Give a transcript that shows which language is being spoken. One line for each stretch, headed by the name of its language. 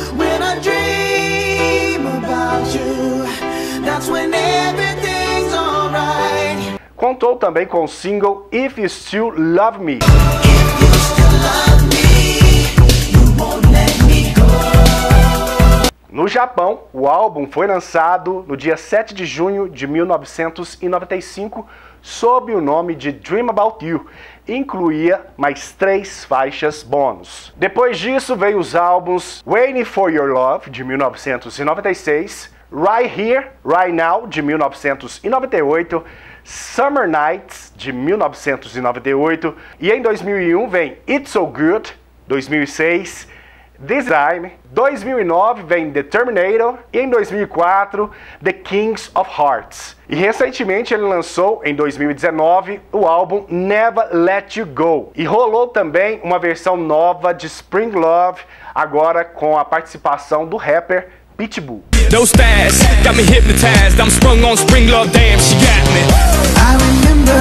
English: When I dream about you, that's when everything's alright.
Portuguese: Contou também com o single If You Still Love Me. No Japão, o álbum foi lançado no dia 7 de junho de 1995 sob o nome de Dream About You, e incluía mais 3 faixas bônus. Depois disso, veio os álbuns Waiting For Your Love, de 1996, Right Here, Right Now, de 1998, Summer Nights, de 1998, e em 2001 vem It's So Good, 2006, This Time, 2009 vem The Terminator, e em 2004, The Kings of Hearts. E recentemente ele lançou, em 2019, o álbum Never Let You Go. E rolou também uma versão nova de Spring Love, agora com a participação do rapper Pitbull.
English: Those thighs got me hypnotized, I'm sprung on Spring Love, damn, she got me.